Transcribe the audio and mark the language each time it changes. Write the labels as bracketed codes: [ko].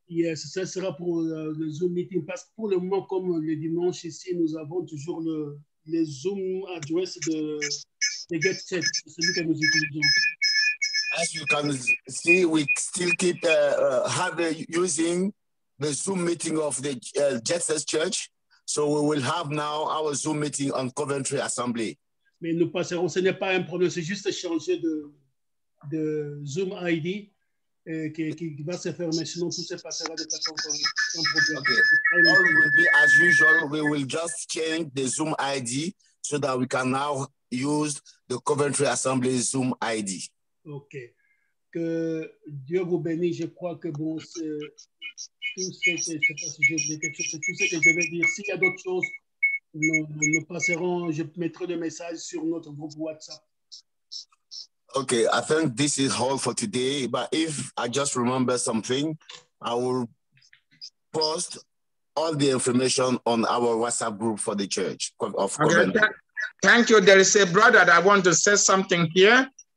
[en] Yes, [fr] ça sera pour le Zoom meeting, parce que pour le moment, comme le dimanche ici, nous avons toujours le Zoom address de GetSet, celui que nous utilisons. [en] As you can see, we still keep using the Zoom meeting of the Jesus Church. So we will have now our Zoom meeting on Coventry Assembly. [fr] Mais nous passerons, ce n'est pas un problème, c'est juste changer de Zoom ID qui va se fermer, sinon tout se passera de façon sans problème. [en] Okay. All will be as usual, we will just change the Zoom ID so that we can now use the Coventry Assembly Zoom ID. Okay. [fr] Que Dieu vous bénisse, je crois que bon, c'est tout ce que je vais dire. S'il y a d'autres choses, nous passerons, je mettrai le message sur notre groupe WhatsApp. [en] Okay, I think this is all for today, but if I just remember something, I will post all the information on our WhatsApp group for the church of Coventry. Okay, thank you. There is a brother that I want to say something here.